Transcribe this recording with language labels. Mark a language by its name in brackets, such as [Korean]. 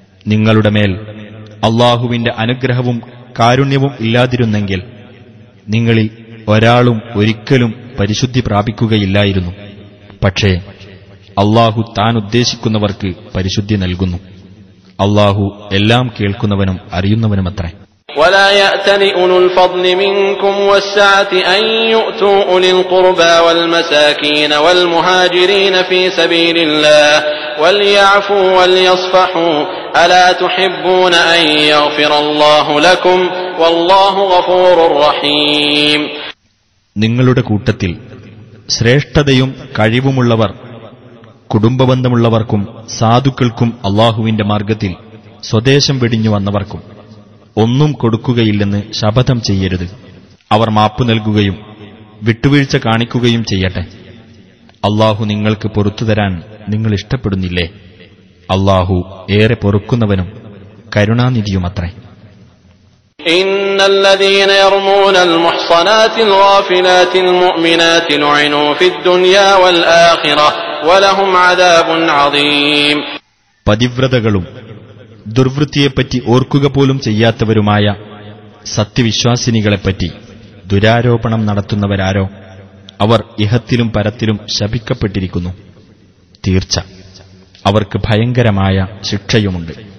[Malayalam] നിങ്ങളുടെ മേൽ അള്ളാഹുവിന്റെ അനുഗ്രഹവും കാരുണ്യവും ഇല്ലാതിരുന്നെങ്കിൽ നിങ്ങളിൽ ഒരാളും ഒരിക്കലും പരിശുദ്ധി പ്രാപിക്കുകയില്ലായിരുന്നു. പക്ഷേ അള്ളാഹു താൻ ഉദ്ദേശിക്കുന്നവർക്ക് പരിശുദ്ധി നൽകുന്നു. അള്ളാഹു എല്ലാം കേൾക്കുന്നവനും അറിയുന്നവനുമത്രേ. [Arabic] ولا يأتن أولو الفضل منكم والسعة أن يؤتوا أولي القربى والمساكين والمهاجرين في سبيل الله وليعفوا وليصفحوا ألا تحبون أن يغفر الله لكم والله غفور رحيم. [Malayalam] നിങ്ങളുടെ കൂട്ടത്തിൽ ശ്രേഷ്ഠതയും കഴിവുമുള്ളവർ കുടുംബബന്ധമുള്ളവർക്കും സാധുക്കൾക്കും അല്ലാഹുവിന്റെ മാർഗ്ഗത്തിൽ സ്വദേശം വെടിഞ്ഞു വന്നവർക്കും ഒന്നും കൊടുക്കുകയില്ലെന്ന് ശപഥം ചെയ്യരുത്. അവർ മാപ്പു നൽകുകയും വിട്ടുവീഴ്ച കാണിക്കുകയും ചെയ്യട്ടെ. അല്ലാഹു നിങ്ങൾക്ക് പൊറുത്തു തരാൻ നിങ്ങൾ ഇഷ്ടപ്പെടുന്നില്ലേ? അല്ലാഹു ഏറെ പൊറുക്കുന്നവനും കരുണാനിധിയുമത്രേ. [Arabic] ان الذين يرمون المحصنات الغافلات المؤمنات لعنوا في الدنيا والاخره ولهم عذاب عظيم. [Malayalam] പതിവ്രതകളും ദുർവൃത്തിയെപ്പറ്റി ഓർക്കുക പോലും ചെയ്യാത്തവരുമായ സത്യവിശ്വാസിനികളെപ്പറ്റി ദുരാരോപണം നടത്തുന്നവരാരോ അവർ ഇഹത്തിലും പരത്തിലും ശപിക്കപ്പെട്ടിരിക്കുന്നു. തീർച്ച അവർക്ക് ഭയങ്കരമായ ശിക്ഷയുമുണ്ട്.